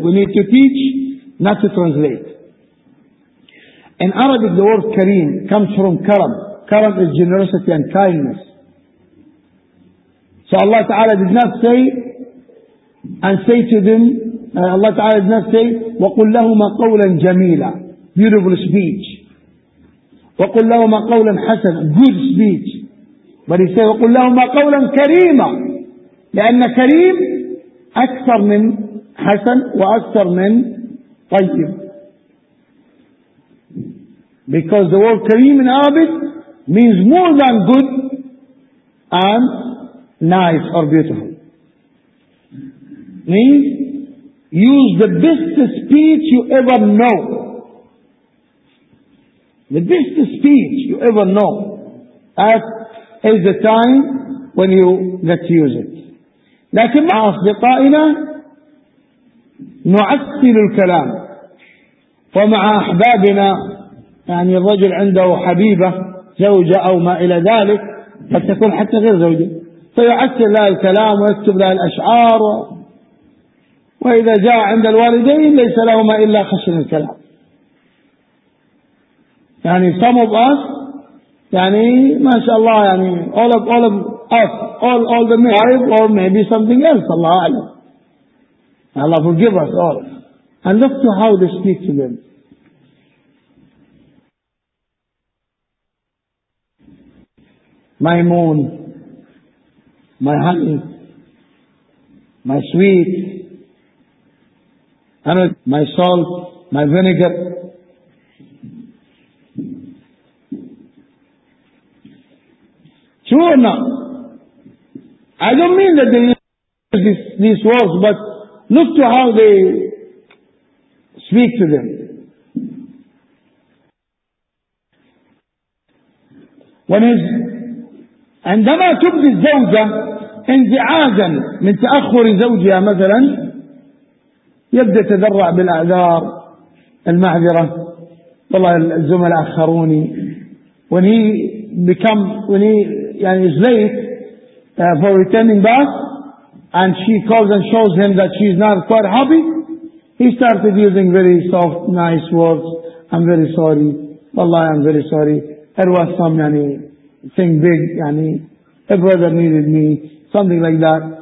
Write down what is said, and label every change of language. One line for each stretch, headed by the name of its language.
English: We need to teach, not to translate. In Arabic, the word kareem comes from karam. Karam is generosity and kindness. So Allah Ta'ala did not say, and say to them, Allah Ta'ala does not say,
Arabic: وَقُلْ لَهُمَا قَوْلًا جَمِيلًا,
English: beautiful speech.
Arabic: وَقُلْ لَهُمَا قَوْلًا حَسَنًا,
English: good speech. But he says,
Arabic: وَقُلْ لَهُمَا قَوْلًا كَرِيمًا, لأن كريم أكثر من حسن وأكثر من طيب.
English: Because the word كريم in Arabic means more than good and nice or beautiful. Means use the best speech you ever know. The best speech you ever know. That is the time when you get to use it.
Arabic: لكن مع أصدقائنا نعسل الكلام, ومع أحبابنا, يعني الرجل عنده حبيبة زوجة أو ما إلى ذلك, قد تكون حتى غير زوجة, فيعسل لها الكلام ويكتب لها الأشعار, وإذا جاء عند الوالدين ليس لهما إلا خشن الكلام.
English: يعني some of us,
Arabic: يعني ما شاء الله,
English: يعني all the marriage, or maybe something else, Allah Alam. Allah forgive us all. And look to how they speak to them. My moon, my honey, my sweet, and my salt, my vinegar. True or not? I don't mean that they use these words, but look to how they speak to them. When is
Arabic: عندما تبدي الزوجة انزعاجا من تأخر زوجها مثلا, يبدأ تذرع بالأعذار المعذرة, والله الزملاء أخروني.
English: When he become, when he يعني is late for returning back, and she calls and shows him that she's not quite happy, he started using very soft, nice words. I'm very sorry. Wallahi, I'm very sorry. There was some thing big, a brother needed me, something like that.